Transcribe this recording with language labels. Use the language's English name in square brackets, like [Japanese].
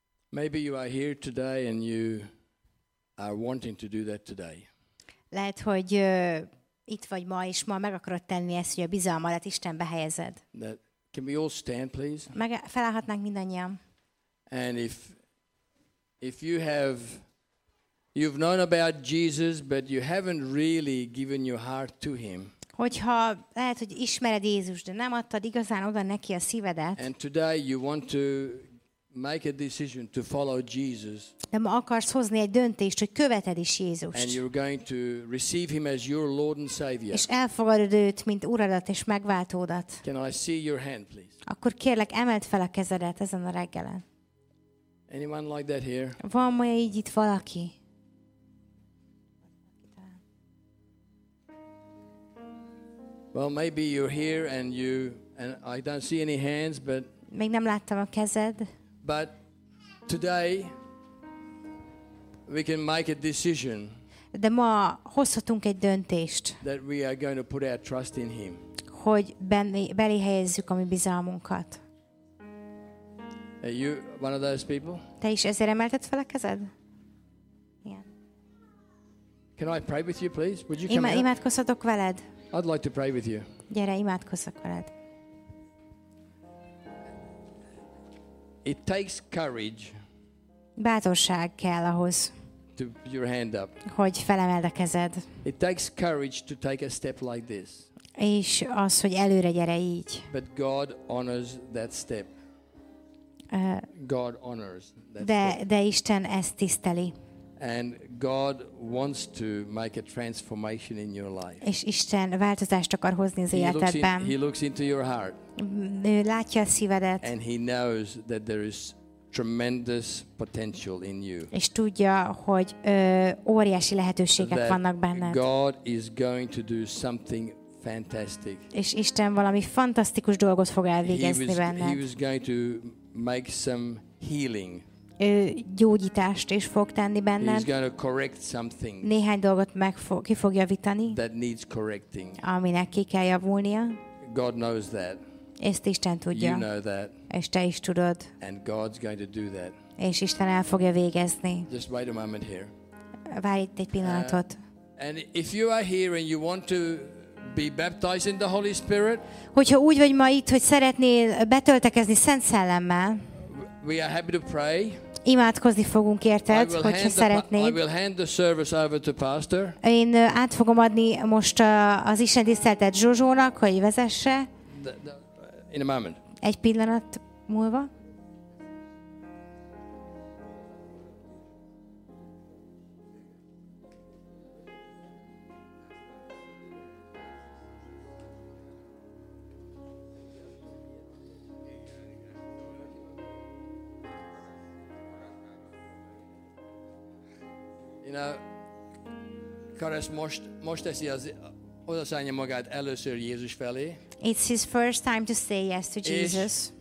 [English] Maybe you are here today and you are wanting to do that today. [Hungarian] Lehet, hogy itt vagy ma, és ma meg akarod tenni ezt, hogy a bizalmadat Istenbe helyezed. [English] Can we all stand, please? [Hungarian] Felállhatnánk mindannyian. [English] And if you've known about Jesus, but you haven't really given your heart to him. [Hungarian] Hogyha lehet, hogy ismered Jézust, de nem adtad igazán oda neki a szívedet. [English] And today you want to make a decision to follow Jesus. [Hungarian] De ma akarsz hozni egy döntést, hogy követed is Jézust. [English] And you're going to receive him as your Lord and Savior. [Hungarian] És elfogadod őt, mint uradat és megváltódat. [English] Can I see your hand, please? [Hungarian] Akkor kérlek, emeld fel a kezedet ezen a reggelen. [English] Anyone like that here? [Hungarian] Van ma így itt valaki? [English] Well, maybe you're here and I don't see any hands, but [Hungarian] még nem láttam a kezed. [English] But today we can make a decision. [Hungarian] de ma hozhatunk egy döntést. [English] That we are going to put our trust in him. [Hungarian] Hogy belé helyezzük a mi bizalmunkat. [English] Are you one of those people? [Hungarian] Te is ezért emelted fel a kezed? Igen. [English] Can I pray with you, please? Would you come [Hungarian] out? Imádkozhatok veled? [English] I'd like to pray with you. [Hungarian] Gyere, imádkozzak veled. [English] It takes courage. [Hungarian] Bátorság kell ahhoz. [English] To your hand up. [Hungarian] Hogy felemeld a kezed. [English] It takes courage to take a step like this. [Hungarian] És az, hogy előre gyere így. [English] But God honors that step. God honors that [Hungarian] De Isten ezt tiszteli. [English] And God wants to make a transformation in your life. [Hungarian] És Isten változást akar hozni az életedben. [English] He looks into your heart. [Hungarian] Ő látja a szívedet. [English] And he knows that there is tremendous potential in you. [Hungarian] És tudja, hogy óriási lehetőségek vannak benned. [English] God is going to do something fantastic. [Hungarian] És Isten valami fantasztikus dolgot fog elvégezni benned. [English] He is going to make some healing. [Hungarian] Ő gyógyítást is fog tenni benned. [English] He's going to correct some things. [Hungarian] Néhány dolgot ki fog javítani. [English] That needs correcting. [Hungarian] Aminek ki kell javulnia. [English] God knows that. [Hungarian] Ezt Isten tudja. [English] You know that. [Hungarian] És te is tudod. [English] And God's going to do that. [Hungarian] És Isten el fogja végezni. [English] Just wait a moment here. [Hungarian] Várj itt egy pillanatot. [English] And if you are here and you want to be baptized in the Holy Spirit. [Hungarian] Hogyha úgy vagy ma itt, hogy szeretnél betöltekezni Szent Szellemmel. [English] We are happy to pray. [Hungarian] Imádkozni fogunk érted, hogyha szeretnéd. [English] I will hand the service over to Pastor. [Hungarian] Én át fogom adni most az Isten tiszteletet Zsuzsónak, hogy vezesse. [English] In a moment. [Hungarian] Egy pillanat múlva. Karesz most teszi az odaszállja magát először Jézus felé. [English] It's his first time to say yes to Jesus.